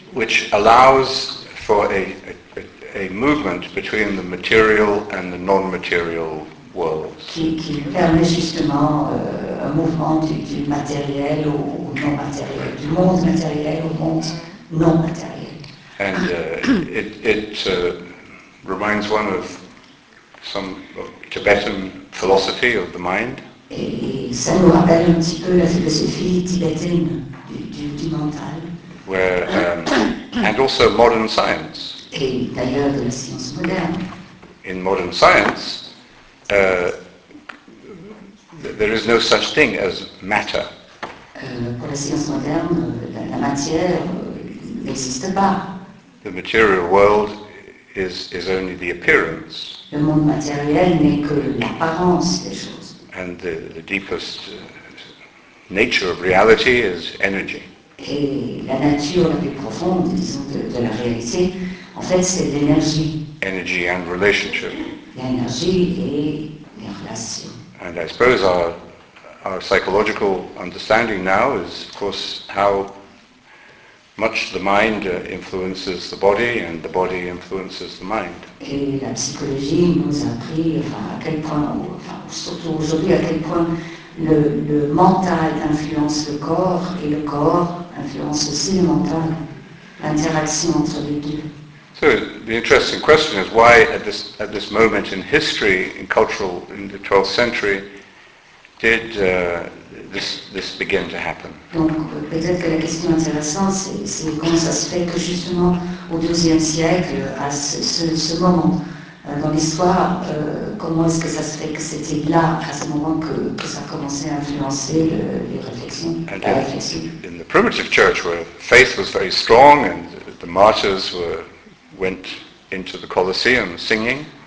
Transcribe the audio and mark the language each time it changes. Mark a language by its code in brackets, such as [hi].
[en] which allows for a movement between the material and the non-material [fr] qui permet justement un mouvement du matériel au non matériel, du monde matériel au monde non matériel. [en] And it reminds one of some of Tibetan philosophy of the mind. [fr] Et ça nous rappelle un petit peu la philosophie tibétaine du mental. [en] Where and also modern science. [fr] Et d'ailleurs de la science moderne. [en] In modern science, there is no such thing as matter. [fr] Pour la science moderne, la matière n'existe pas. [en] The material world is only the appearance. [fr] Le monde matériel n'est que l'apparence des choses. [en] And the deepest nature of reality is energy. [fr] Et la nature la plus profonde, disons, de la réalité, en fait, c'est l'énergie. [en] Energy and relationship. [fr] L'énergie et les relations. [en] And I suppose our psychological understanding now is, of course, how much the mind influences the body, and the body influences the mind. [fr] Et la psychologie nous a appris, enfin, à quel point, surtout aujourd'hui, à quel point le mental influence le corps, et le corps influence aussi le mental, l'interaction entre les deux. [en] So the interesting question is why at this moment in history, in cultural, in the 12th century, did this begin to happen? [fr] Donc peut-être que la question intéressante c'est comment ça se fait que justement au 12e siècle, à ce moment dans l'histoire, comment est-ce que ça se fait que c'était là, à ce moment que ça commençait à influencer les réflexions, and la réflexion. [en] In the primitive church where faith was very strong and the martyrs went into the Colosseum singing.